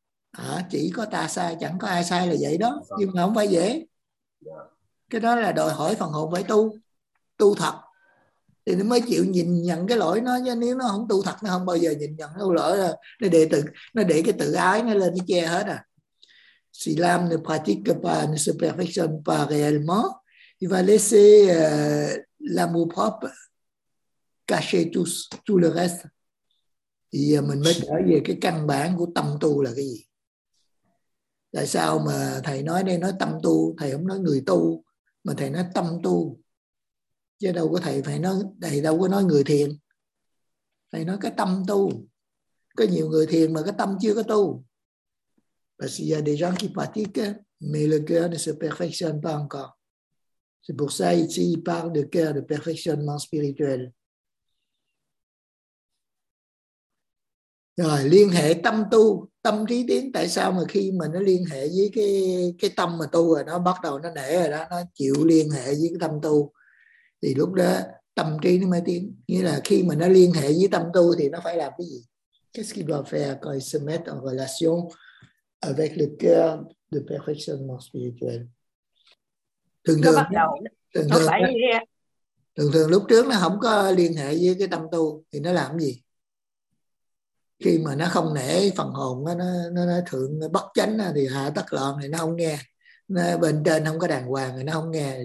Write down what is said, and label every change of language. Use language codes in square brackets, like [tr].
[vi] à, chỉ có ta sai, chẳng có ai sai là vậy đó. Nhưng mà không phải dễ. Cái đó là đòi hỏi phần hồn phải tu. Tu thật thì nó mới chịu nhìn nhận cái lỗi nó, chứ nếu nó không tu thật nó không bao giờ nhìn nhận cái lỗi đó. Nó để cái tự ái nó lên, nó che hết à. [fr] Si l'âme ne pratique pas, ne se perfectionne pas réellement, il va laisser l'amour propre cacher tout le reste. [vi] Thì mình mới trở về cái căn bản của tâm tu là cái gì. Tại sao mà thầy nói đây nói tâm tu, thầy không nói người tu mà thầy nói tâm tu. Chứ đâu có thầy phải nói, thầy đâu có nói người thiền. Thầy nói cái tâm tu. Có nhiều người thiền mà cái tâm chưa có tu. [fr] Parce qu'il y a des gens qui pratiquent, mais le cœur ne se perfectionne pas encore. C'est pour ça ici, il parle de cœur, de perfectionnement spirituel. [vi] Rồi, liên hệ tâm tu, tâm trí tiến. Tại sao mà khi mà nó liên hệ với cái tâm mà tu rồi, nó bắt đầu nó nể rồi đó, nó chịu liên hệ với cái tâm tu. Thì lúc đó tâm trí nó mới tiến. Nghĩa là khi mà nó liên hệ với tâm tu thì nó phải làm cái gì? [fr] Qu'est-ce qu'il doit faire quand il se met en relation avec le cœur de perfectionnement spirituel? [vi] Thường thường lúc trước nó không có liên hệ với cái tâm tu thì nó làm cái gì? Khi mà nó không nể phần hồn nó thượng bất chánh thì hạ tắc loạn thì nó không nghe. Nó bên trên không có đàng hoàng thì nó không nghe.